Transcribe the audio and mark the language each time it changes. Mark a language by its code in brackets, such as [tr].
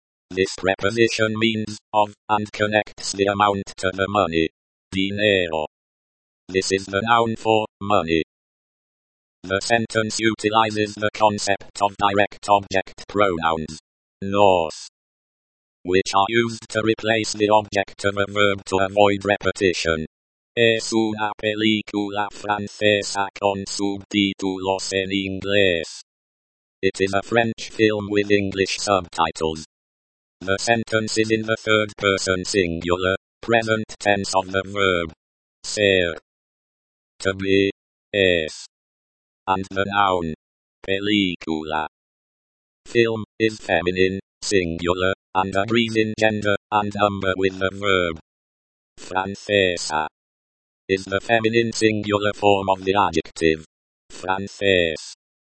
[en] This preposition means of, and connects the amount to the money. Dinero. This is the noun for money. The sentence utilizes the concept of direct object pronouns, nos, which are used to replace the object of a verb to avoid repetition. [es] Es una película francesa con subtítulos en inglés. [en] It is a French film with English subtitles. The sentence is in the third person singular, present tense of the verb ser, to be, es, and the noun, película, film, is feminine, singular, and agrees in gender and number with the verb, francesa, is the feminine singular form of the adjective, francés,